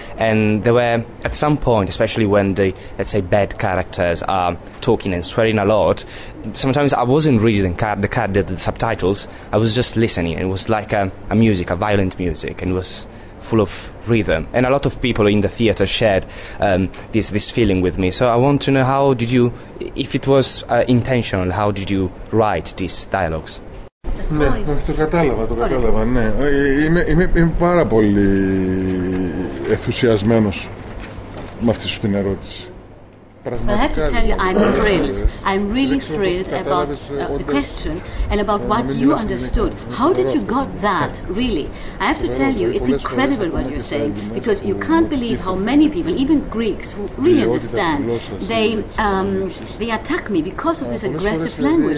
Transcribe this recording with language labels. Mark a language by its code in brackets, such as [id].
[en] And there were, at some point, especially when the, let's say, bad characters are talking and swearing a lot, sometimes I wasn't reading the subtitles, I was just listening. It was like a violent music, and it was full of rhythm. And a lot of people in the theatre shared this feeling with me. So I want to know, how did you, if it was intentional, how did you write these dialogues? [el] Ναι, το κατάλαβα, ναι. Είμαι πάρα πολύ ενθουσιασμένος με αυτή σου την ερώτηση. [en] But I have to tell you, I'm thrilled. I'm really thrilled about the question and about what you understood. How did you got that, really? I have to tell you, it's incredible what you're saying, because you can't believe how many people, even Greeks, who really understand, they attack me because of this aggressive language.